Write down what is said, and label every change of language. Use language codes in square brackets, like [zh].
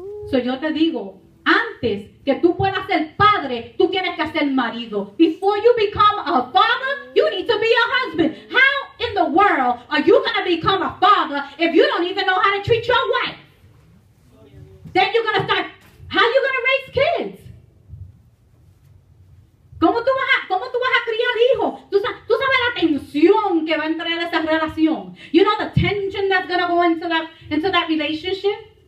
[es] So yo te digo, antes que tú puedas ser padre, tú tienes que ser marido. [en] Before you become a father, you need to be a husband. How in the world are you going to become a father if you don't even know how to treat your wife? Then you're going to start, how are you going to raise kids? [es] ¿Cómo tú vas a criar hijos? ¿Tú sabes la tensión que va a entrar en esa relación? [en] You know the tension that's going to go into that relationship?